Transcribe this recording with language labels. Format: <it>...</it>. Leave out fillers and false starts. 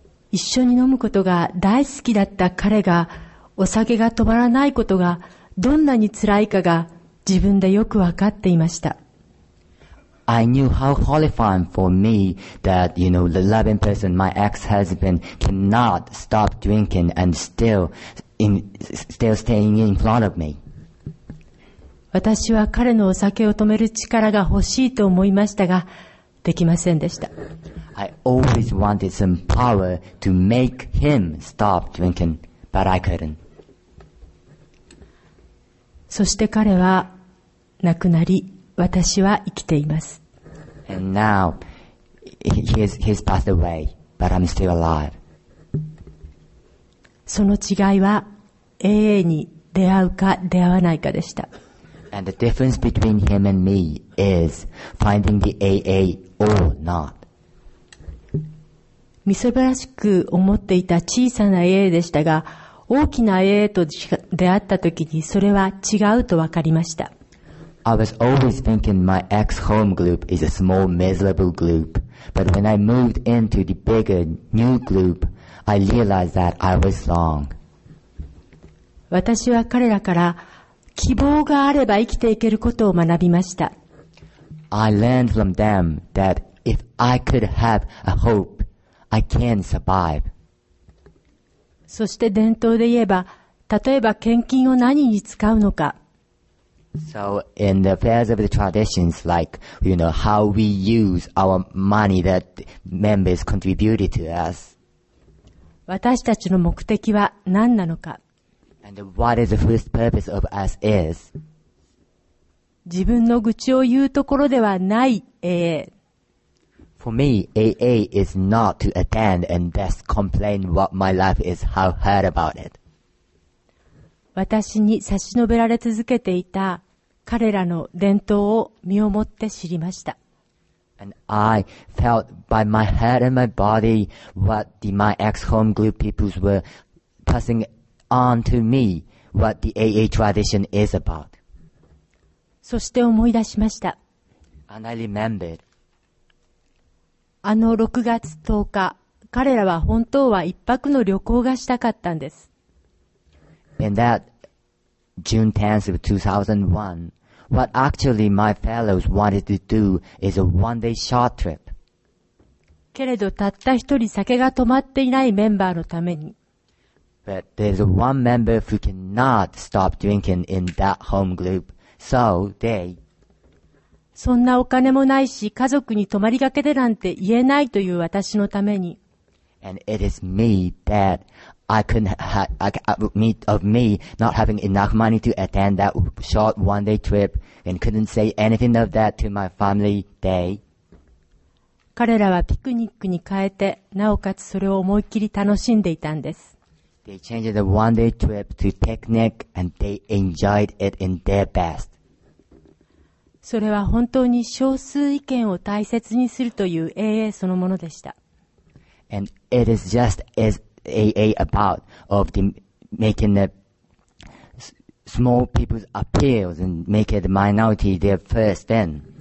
<ja>一緒に飲むことが大好きだった彼が、お酒が止まらないことがどんなに辛いかが、自分でよくわかっていました。</ja> <en>I knew how horrifying for me that, you know, the loving person, my ex-husband, cannot stop drinking and still staying in front of me.</en> <ja>私は彼のお酒を止める力が欲しいと思いましたが、できませんでした。</ja> <en>I always wanted some power to make him stop drinking, but I couldn't.</en> <ja>そして彼は亡くなり、私は生きています。</ja> <en>And now, he's passed away, but I'm still alive.</en> <ja>その違いは、AA に出会うか出会わないかでした。</ja> <en>And the difference between him and me is finding the AA or not.</en> <ja>みそばらしく思っていた小さな AA でしたが、大きな AA と出会った時にそれは違うと分かりました。</ja> <en>I was always thinking my ex-home group is a small miserable group, but when I moved into the bigger new group, I realized that I was wrong.</en> <ja>私は彼らから希望があれば生きていけることを学びました。</ja> <en>I learned from them that if I could have a hope, I can survive.</en> <ja>そして伝統で言えば、例えば献金を何に使うのか。</ja> <en>So in the affairs of the traditions, like, you know, how we use our money that members contributed to us.</en> <ja>私たちの目的は何なのか。</ja> <en>And what is the first purpose of us is?</en> <ja>自分の愚痴を言うところではない AA。</ja> <en>For me, AA is not to attend and thus complain what my life is, how hard about it.</en> <ja>私に差し伸べられ続けていた彼らの伝統を身をもって知りました。</ja> <en>And I felt by my head and my body what my ex-home group peoples were passing on to me what the AA tradition is about.</en> <ja>そして思い出しました。</ja> <en>And I remembered.</en> <ja>あの6月10日、彼らは本当は一泊の旅行がしたかったんです。</ja> <en>In that June 10th of 2001, what actually my fellows wanted to do is a one-day short trip.</en> <ja>けれどたった一人酒が止まっていないメンバーのために。</ja> <en>But there's one member who cannot stop drinking in that home group, so they...</en> <ja>そんなお金もないし、家族に泊まりがけでなんて言えないという私のために。</ja> <en>And it is me that I couldn't of me not having enough money to attend that short one day trip and couldn't say anything of that to my family day.</en> <ja>彼らはピクニックに変えて、なおかつそれを思いっきり楽しんでいたんです。</ja> <en>They changed the one-day trip to picnic and they enjoyed it in their best.</en> <ja>それは本当に少数意見を大切にするという AA そのものでした。</ja> <en>And it is just as AA about of the making the small people's appeals and make the minority their first then.</en>